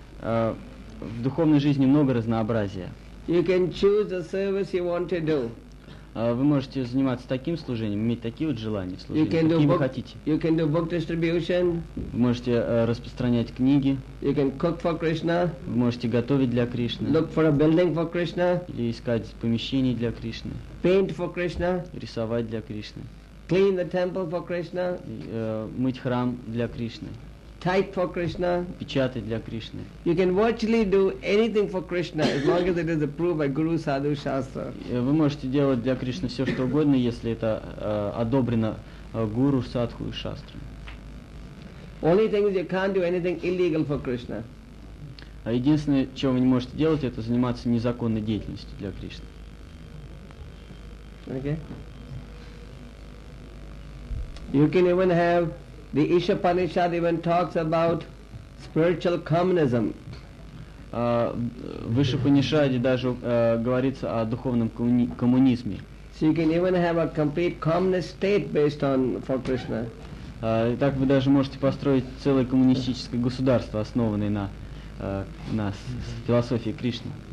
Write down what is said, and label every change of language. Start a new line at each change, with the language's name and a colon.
Russian: В духовной жизни много разнообразия.
English: You can choose the service you want to do.
Russian: Вы можете заниматься таким служением, иметь такие вот желания в служении, какие вы хотите.
English: You can do book distribution.
Russian: Вы можете распространять книги.
English: You can cook for Krishna.
Russian: Вы можете готовить для Кришны.
English: Look for a building for Krishna.
Russian: Или искать помещение для Кришны.
English: Paint for Krishna.
Russian: Рисовать для Кришны.
English: Clean the temple for Krishna.
Russian: Мыть храм для Кришны.
English: Type for Krishna.
Russian: Печатать для Кришны.
English: You can virtually do anything for Krishna as long as it is approved by Guru Sadhu Shastra.
Russian: Вы можете делать для Кришны все что угодно, если это одобрено Гуру Садху и Шастрой.
English: Only thing is you can't do anything illegal for Krishna.
Russian: А единственное, чего вы не можете делать, это заниматься незаконной деятельностью для Кришны.
English: Okay. You can even have the Isha Upanishad even talks about spiritual communism.
Russian: В Иша Панишаде даже говорится о духовном коммунизме.
English: So you can even have a complete communist state based on for Krishna.
Russian: Так вы даже можете построить целое коммунистическое государство, основанное на философии Кришны.